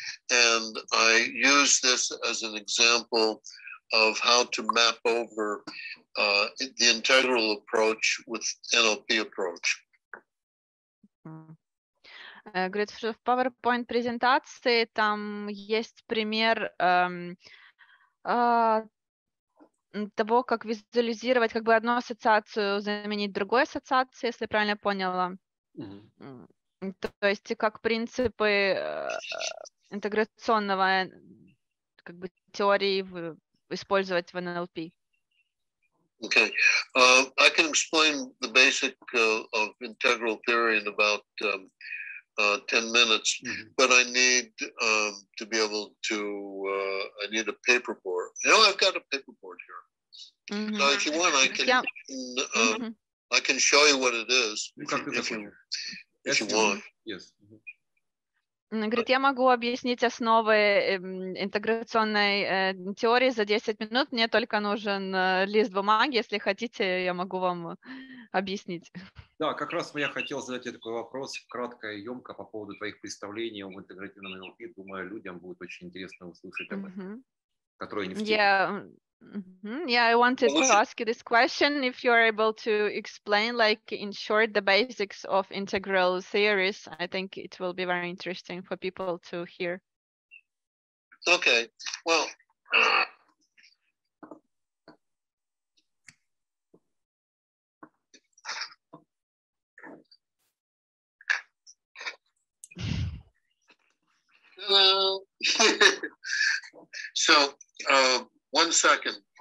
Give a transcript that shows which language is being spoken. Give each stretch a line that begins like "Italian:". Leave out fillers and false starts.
English: And I use this as an example of how to map over the integral approach with NLP approach.
Russian: Говорит, что в PowerPoint презентации там есть пример того, как визуализировать как бы одну ассоциацию, заменить другой ассоциацией, если правильно поняла. Mm-hmm. То есть как принципы интеграционного как бы теории использовать в NLP.
English: Okay. I can explain the basic of integral theory in about 10 minutes, mm-hmm. but I need to be able to I need a paperboard. You know, I've got a paperboard here. Mm-hmm. So if you want, I can mm-hmm. I can show you what it is if you want. Yes.
Russian: Говорит, я могу объяснить основы интеграционной теории за 10 минут. Мне только нужен лист бумаги. Если хотите, я могу вам объяснить. Да, как раз я хотел задать тебе такой вопрос. Кратко и емко по поводу твоих представлений об интегративном NLP. Думаю, людям будет очень интересно услышать об этом, mm-hmm. которые не в теме.
English: I wanted to ask you this question, if you are able to explain, like, in short, the basics of integral theories. I think it will be very interesting for people to hear. Okay, well, so, one second.